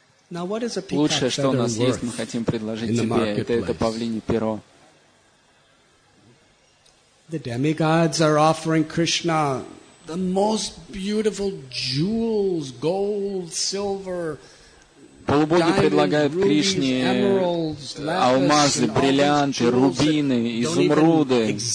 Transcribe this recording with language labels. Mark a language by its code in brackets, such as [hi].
[ru] Лучшее, что у нас есть, мы хотим предложить тебе, это павлинье перо. [en] The demigods are offering Krishna the most beautiful jewels, gold, silver. [ru] Полубоги предлагают Кришне алмазы, бриллианты, рубины, изумруды.